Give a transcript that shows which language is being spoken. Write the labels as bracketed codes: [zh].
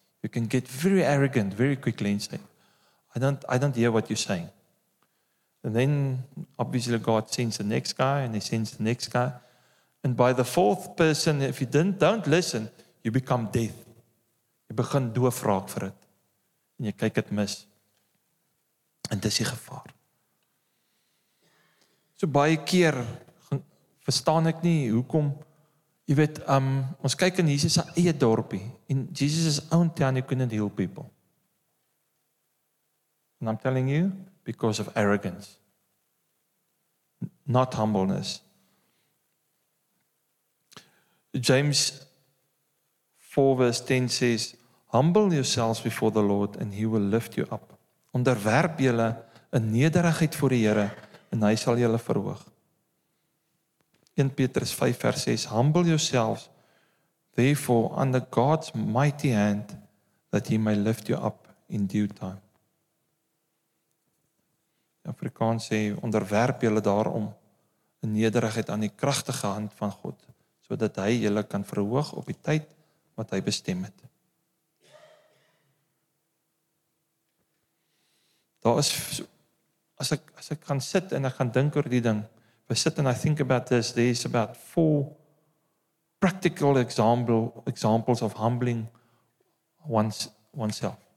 [en] You can get very arrogant, very quickly and say, I don't hear what you're saying. And then, obviously, God sends the next guy, and he sends the next guy. And by the fourth person, if you don't listen, you become deaf. [af] Jy begin doof raak vir het. En jy kyk het mis. En dis die gevaar. So baie keer, verstaan ek nie, hoekom, jy weet, ons kyk in Jesus' eie dorpie, en [en] Jesus' own town, you couldn't heal people. And I'm telling you, because of arrogance, not humbleness. James 4 verse 10 says, humble yourselves before the Lord and he will lift you up. [af] Onderwerp julle in nederigheid voor die Here en hy sal julle verhoog. [en] 1 Petrus 5 verse 6, humble yourselves therefore under God's mighty hand that he may lift you up in due time. [af] Afrikaans sê, onderwerp julle daarom in nederigheid aan die kragtige hand van God, sodat hy julle kan verhoog op die tyd wat hy bestem het. Daar is, as ek gaan sit en ek gaan dink oor die ding, [en] if I sit and I think about this, there is about 4 practical examples of humbling oneself.